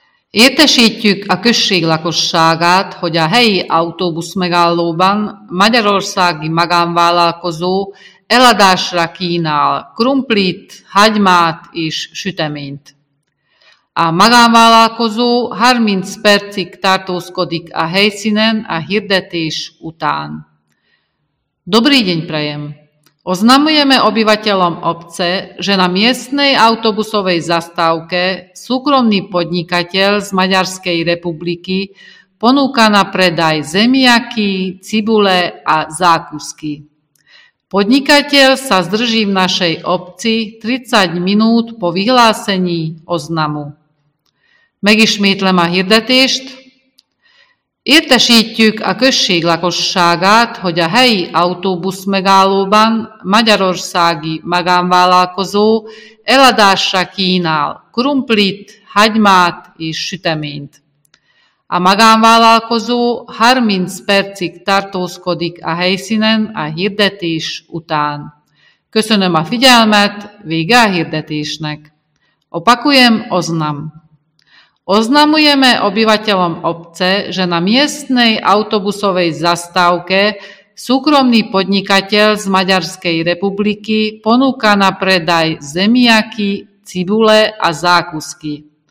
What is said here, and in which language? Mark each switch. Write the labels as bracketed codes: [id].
[hu] Értesítjük a község lakosságát, hogy a helyi autóbusz megállóban magyarországi magánvállalkozó eladásra kínál krumplit, hagymát és süteményt. A magánvállalkozó 30 percig tartózkodik a helyszínen a hirdetés után. [sk] Dobrý deň prajem! Oznamujeme obyvateľom obce, že na miestnej autobusovej zastávke súkromný podnikateľ z Maďarskej republiky ponúka na predaj zemiaky, cibule a zákusky. Podnikateľ sa zdrží v našej obci 30 minút po vyhlásení oznamu. [hu] Megismétlem a hirdetést. Értesítjük a község lakosságát, hogy a helyi autóbusz megállóban magyarországi magánvállalkozó eladásra kínál krumplit, hagymát és süteményt. A magánvállalkozó 30 percig tartózkodik a helyszínen a hirdetés után. Köszönöm a figyelmet, vége a hirdetésnek. [sk] Opakujem oznam. Oznamujeme obyvateľom obce, že na miestnej autobusovej zastávke súkromný podnikateľ z Maďarskej republiky ponúka na predaj zemiaky, cibule a zákusky.